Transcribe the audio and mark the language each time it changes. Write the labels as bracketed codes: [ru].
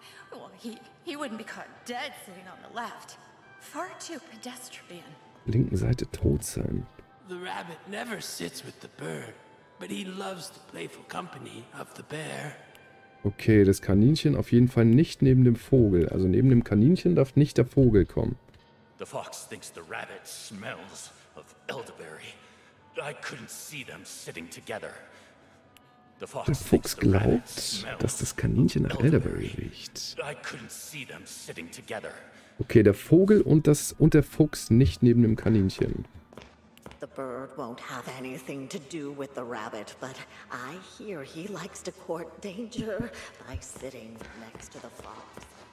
[en] Well, he wouldn't be caught dead sitting on the left. Far too pedestrian. [de] Linken Seite tot sein. [en] The rabbit never sits with the bird, but he loves the playful company of the bear. [de] Okay, das Kaninchen auf jeden Fall nicht neben dem Vogel. Also neben dem Kaninchen darf nicht der Vogel kommen. [en] The fox thinks the rabbit smells of elderberry. I couldn't see them sitting together. The fox [de] der Fuchs glaubt, dass das Kaninchen nach elderberry riecht. [en] I couldn't see them sitting together. [de] Okay, der Vogel und das und der Fuchs nicht neben dem Kaninchen. [en] The bird won't have anything to do with the rabbit, but I hear he likes to court danger by sitting next to the fox.